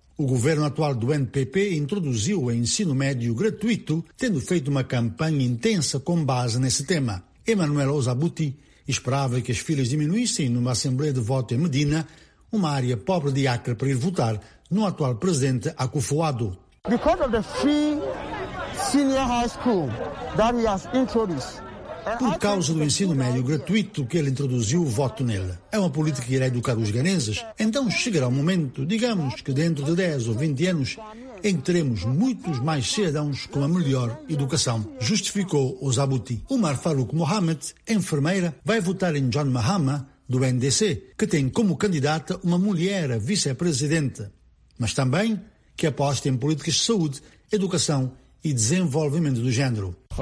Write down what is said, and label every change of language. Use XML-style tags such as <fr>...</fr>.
<pt>O governo atual do NPP introduziu o ensino médio gratuito, tendo feito uma campanha intensa com base nesse tema. Emmanuel Ozabuti esperava que as filas diminuíssem numa assembleia de voto em Medina, uma área pobre de Acre, para ir votar no atual presidente Akufo-Addo.</pt> <en>Because of the free senior high school that he has introduced.</en> <pt>Por causa do ensino médio gratuito que ele introduziu, o voto nele. É uma política que irá educar os ganeses. Então chegará o momento, digamos que dentro de 10 ou 20 anos, em que teremos muitos mais cidadãos com a melhor educação, justificou Ozabuti. Umar Farouk Mohamed, enfermeira, vai votar em John Mahama, do NDC, que tem como candidata uma mulher a vice-presidente, mas também que aposta em políticas de saúde, educação e desenvolvimento do género.</pt>